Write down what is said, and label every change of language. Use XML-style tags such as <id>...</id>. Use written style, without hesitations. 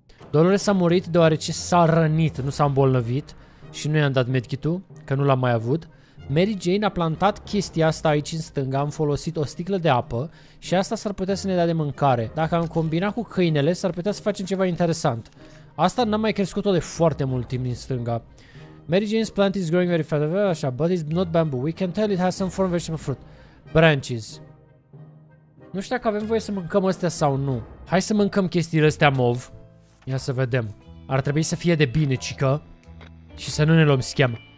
<ro>Dolores a murit deoarece s-a rănit, nu s-a îmbolnăvit. Și nu i-am dat medkit-ul, că nu l-am mai avut. Mary Jane a plantat chestia asta aici în stânga, am folosit o sticlă de apă și asta s-ar putea să ne dea de mâncare. Dacă am combinat cu câinele, s-ar putea să facem ceva interesant. Asta n-am mai crescut-o de foarte mult timp din stânga.</ro> <en>Mary Jane's plant is growing very fast, așa, but it's not bamboo. We can tell it has some form vegetable fruit. Branches.</en> <ro>Nu știu dacă avem voie să mâncăm astea sau nu. Hai să mâncăm chestiile astea mov. Ia să vedem. Ar trebui să fie de bine, cică. Și să nu ne luăm schemă.</ro>